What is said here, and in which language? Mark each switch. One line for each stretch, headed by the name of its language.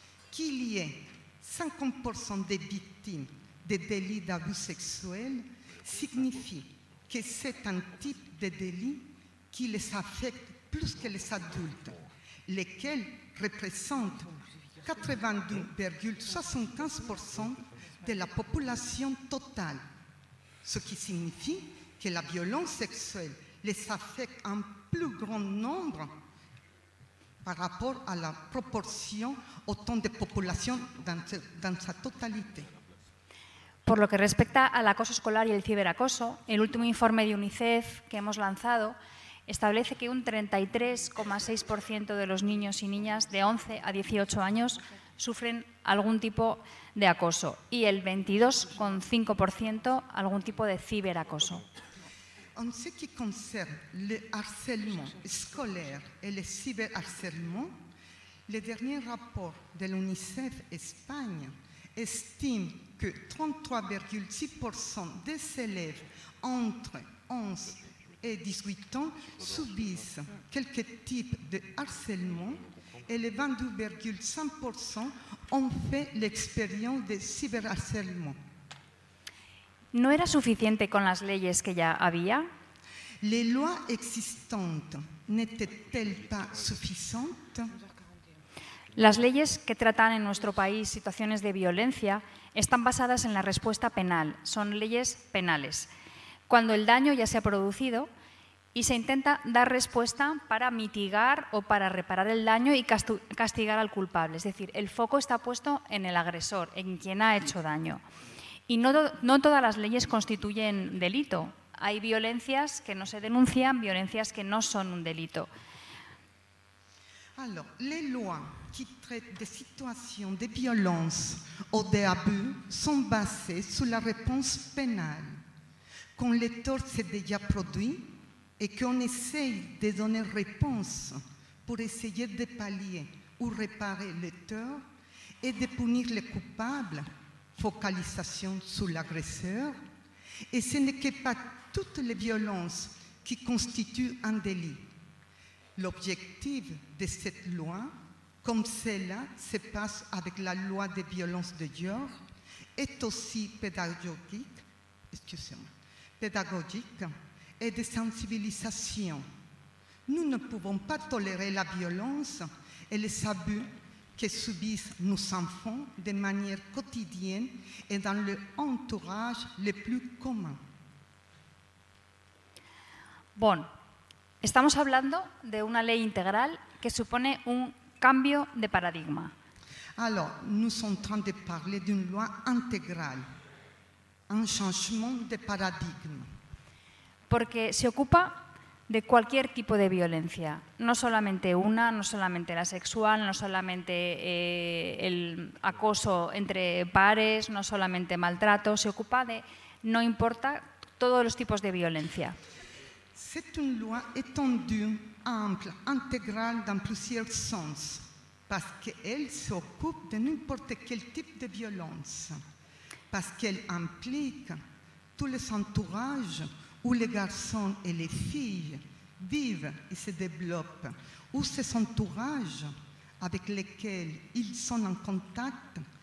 French: Qu'il y ait 50% des victimes des délits d'abus sexuels signifie que c'est un type de délit qui les affecte plus que les adultes, lesquels représentent 82,75% de la population totale. Ce qui signifie que la violence sexuelle les affecte en plus grand nombre par rapport à la proportion au temps de population dans sa totalité.
Spanish: Por lo que respecta al acoso escolar y el ciberacoso, el último informe de UNICEF que hemos lanzado establece que un 33,6% de los niños y niñas de 11 a 18 años sufren algún tipo de acoso y el 22,5% algún tipo de ciberacoso.
French: En ce qui concerne le harcèlement scolaire et le cyberharcèlement, le dernier rapport de l'UNICEF Espagne estime que 33,6% des élèves entre 11 et 18 ans subissent quelques types de harcèlement et les 22,5% ont fait l'expérience de cyberharcèlement.
Spanish: ¿No era suficiente con las leyes que ya había?
French: ¿Les lois existantes n'étaient-elles pas suficientes?
Spanish: Las leyes que tratan en nuestro país situaciones de violencia están basadas en la respuesta penal, son leyes penales, cuando el daño ya se ha producido y se intenta dar respuesta para mitigar o para reparar el daño y castigar al culpable. Es decir, el foco está puesto en el agresor, en quien ha hecho daño. Y no todas las leyes constituyen delito. Hay violencias que no se denuncian, violencias que no son un delito.
French: Alors, les lois qui traitent des situations de violence ou de abus sont basées sur la réponse pénale. Quand le tort s'est déjà produit et qu'on essaye de donner réponse pour essayer de pallier ou réparer le tort et de punir les coupables, focalisation sur l'agresseur, et ce n'est que pas toutes les violences qui constituent un délit. L'objectif de cette loi, comme cela se passe avec la loi des violences de genre, est aussi pédagogique et de sensibilisation. Nous ne pouvons pas tolérer la violence et les abus que subissent nos enfants de manière quotidienne et dans le entourage le plus commun. Bon.
Spanish: Estamos hablando de una ley integral que supone un cambio de paradigma.
French: Alors, nous sommes en train de parler d'une loi intégrale, un changement de paradigme.
Spanish: Porque se ocupa de cualquier tipo de violencia, no solamente una, no solamente la sexual, no solamente el acoso entre pares, no solamente maltrato, se ocupa de, no importa, todos los tipos de violencia.
French: C'est une loi étendue ample, intégrale dans plusieurs sens, parce qu'elle s'occupe de n'importe quel type de violence, parce qu'elle implique tous les entourages où les garçons et les filles vivent et se développent, où ces entourages avec lesquels ils sont en contact